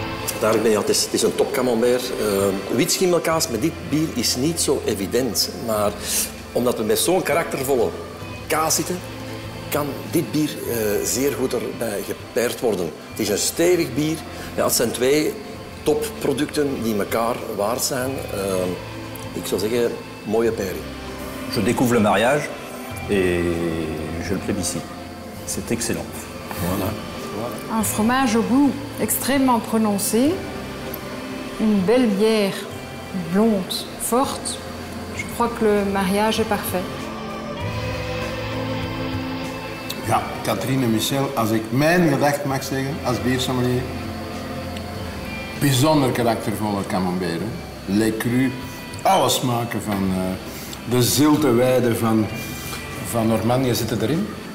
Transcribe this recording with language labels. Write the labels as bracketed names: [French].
[Dutch] Duidelijk ben je, het is een top camembert. Wit schimmelkaas met dit bier is niet zo evident, maar omdat we met zo'n karaktervolle kaas zitten, kan dit bier zeer goed erbij gepaard worden. Het is een stevig bier. Ja, het zijn twee topproducten die elkaar waard zijn. Ik zou zeggen, mooie pairing. [French] Je découvre le mariage et je le plébiscite. C'est excellent. Voilà. Un fromage au goût extrêmement prononcé. Une belle bière blonde, forte. Je crois que le mariage est parfait. [Dutch] Ja, Katrien en Michel, als ik mijn gedacht mag zeggen, als biersommelier. Bijzonder karaktervolle camembert. Les cru, alle smaken van de zilte weide van Normandië zitten erin.